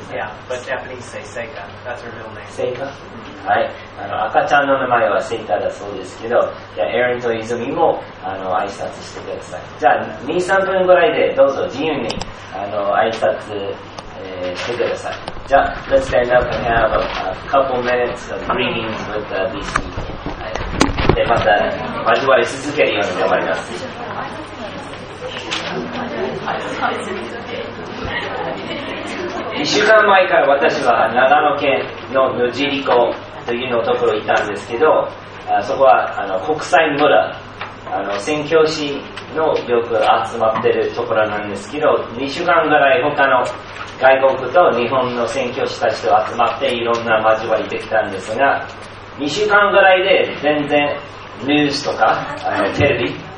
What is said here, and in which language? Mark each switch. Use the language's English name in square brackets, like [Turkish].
[English] Yeah, but Japanese say Seika. That's her real name. [Japanese] Seika? はい、あの。赤ちゃんの名前は Seika だそうですけど、じゃあ、エレンと泉もあの挨拶してください。じゃあ、2、3分ぐらいでどうぞ自由にあの挨拶、してください。 [English] じゃあ、Let's stand up and have a couple minutes of greetings with DC. [Japanese] でまた交わり続けるように頑張ります。 1週間前から私は長野県の野尻湖というのところにいたんですけど、そこはあの国際村、あの宣教師のよく集まっているところなんですけど、2週間ぐらい他の外国と日本の宣教師たちと集まっていろんな交わりできたんですが、2週間ぐらいで全然ニュースとかテレビ、